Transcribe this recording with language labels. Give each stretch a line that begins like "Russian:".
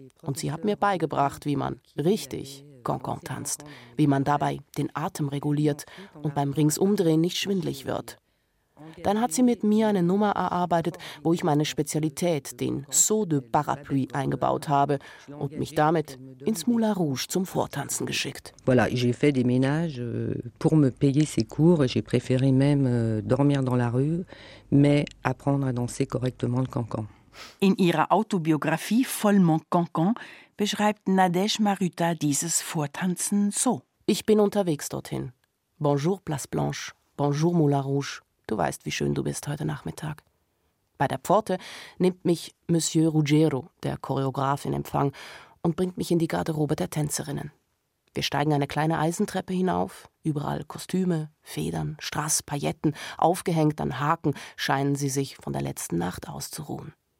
German: und sie hat mir beigebracht, wie man richtig Cancan tanzt, wie man dabei den Atem reguliert und beim Ringsumdrehen nicht schwindelig wird. Dann hat sie mit mir eine Nummer erarbeitet, wo ich meine Spezialität, den Saut de Parapluie, eingebaut habe und mich damit ins Moulin Rouge zum Vortanzen geschickt.
French: Voilà, j'ai fait des ménages pour me payer ces cours et j'ai préféré même dormir dans la rue, mais apprendre à danser correctement le cancan.
German: In ihrer Autobiografie Vollmond Cancan beschreibt Nadège Maruta dieses Vortanzen so: Ich bin unterwegs dorthin.
French: Bonjour Place Blanche, bonjour Moulin Rouge.
German: Du weißt, wie schön du bist heute Nachmittag. Bei der Pforte nimmt mich Monsieur Ruggiero, der Choreograf, in Empfang und bringt mich in die Garderobe der Tänzerinnen. Wir steigen eine kleine Eisentreppe hinauf, überall Kostüme, Federn, Strass, Pailletten, aufgehängt an Haken, scheinen sie sich von der letzten Nacht auszuruhen.